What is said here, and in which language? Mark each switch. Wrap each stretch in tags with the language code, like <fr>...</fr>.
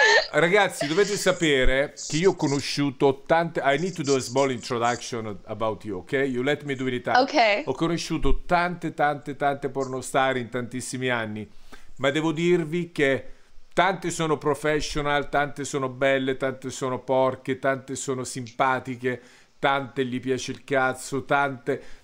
<it>Ragazzi, dovete sapere che io ho conosciuto tante...</it> <en>I need to do a small introduction about you, okay? You let me do it in Italian. Okay.</en> <it>Ho conosciuto tante pornostar in tantissimi anni, ma devo dirvi che tante sono professional, tante sono belle, tante sono porche, tante sono simpatiche, tante gli piace il cazzo, tante.</it>